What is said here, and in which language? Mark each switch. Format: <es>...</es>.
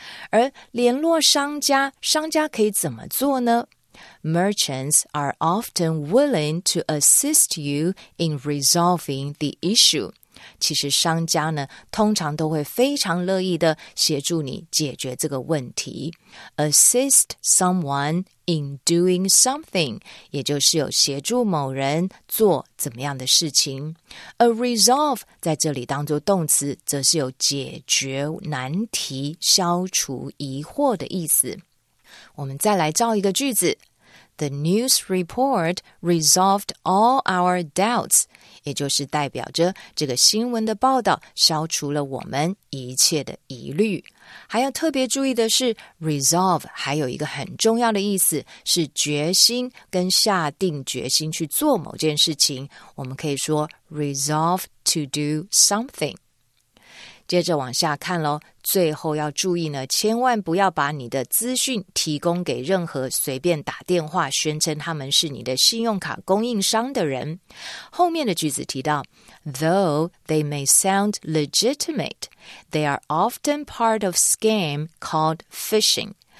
<zh>而联络商家，商家可以怎么做呢？</zh> <en>Merchants are often willing to assist you in resolving the issue.</en> <zh>其实商家呢通常都会非常乐意的协助你解决这个问题。</zh> <en>Assist someone in doing something，</en> <zh>也就是有协助某人做怎么样的事情。 A resolve 在这里当作动词，则是有解决难题、消除疑惑的意思。我们再来造一个句子，</zh> <en>The news report resolved all our doubts，</en> <zh>也就是代表着这个新闻的报道消除了我们一切的疑虑。还要特别注意的是 resolve 还有一个很重要的意思是决心，跟下定决心去做某件事情，我们可以说</zh> <en>resolve to do something。</en> <zh>接着往下看咯，最后要注意呢，千万不要把你的资讯提供给任何随便打电话宣称他们是你的信用卡供应商的人。后面的句子提到</zh> <en>Though they may sound legitimate, they are often part of scam called phishing。</en>